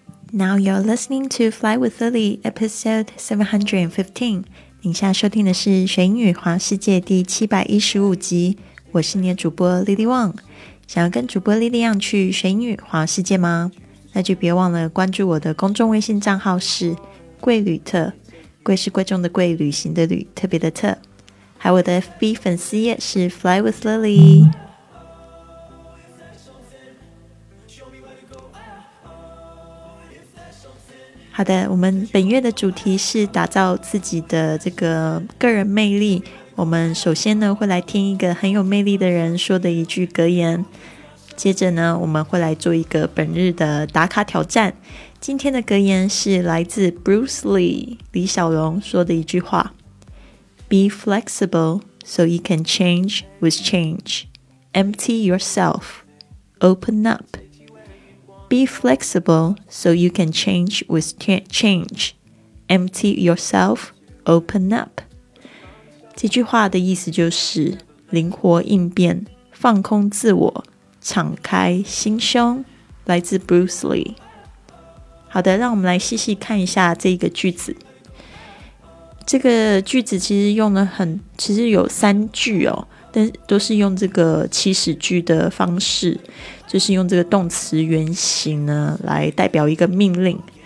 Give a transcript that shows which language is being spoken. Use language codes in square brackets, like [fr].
[en] Now you're listening to Fly with Lily, episode 715. [zh] 您现在收听的是《学英语环世界》第715集。我是你的主播 Lily Wang。想要跟主播 Lily Wang 去《学英语环世界》吗？那就别忘了关注我的公众微信账号是“贵旅特”，贵是贵重的贵，旅行的旅，特别的特。还有我的 FB 粉丝页是 Fly with Lily。好的，我们本月的主题是打造自己的这个个人魅力。我们首先呢会来听一个很有魅力的人说的一句格言，接着呢我们会来做一个本日的打卡挑战。今天的格言是来自 Bruce Lee 李小龙说的一句话， [en] Be flexible so you can change with change. Empty yourself. Open up. Be flexible so you can change with change. Empty yourself, open up. [zh] 这句话的意思就是灵活应变，放空自我，敞开心胸，来自 Bruce Lee. 好的，让我们来细细看一下这个句子。这个句子其实用了很，其实有三句哦，但都是用这个祈使句的方式，就是用这个动词原形呢来代表一个命令。